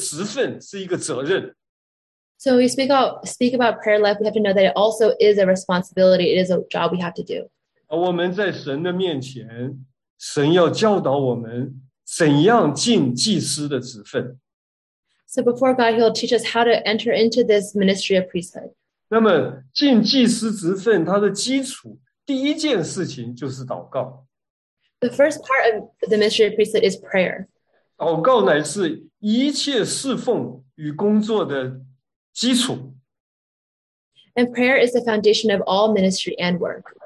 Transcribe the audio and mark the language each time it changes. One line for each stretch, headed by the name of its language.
Chinese: 我们讲到祷告生活的时候,一定要和弟兄姊妹讲到,祷告也是一个工作,是一个职分,是一个责任。
English: So we speak about prayer life, we have to know that it also is a responsibility, it is a job we have to do.
Chinese: 我们在神的面前,神要教导我们怎样尽祭司的职分。
English: So before God, he'll teach us how to enter into this ministry of priesthood.
Chinese: 那么,尽祭司职分,它的基础,第一件事情就是祷告。
English: The first part of the ministry of priesthood is prayer.
Chinese: 祷告乃是一切侍奉与工作的基础。
English: And prayer is the foundation of all ministry and work.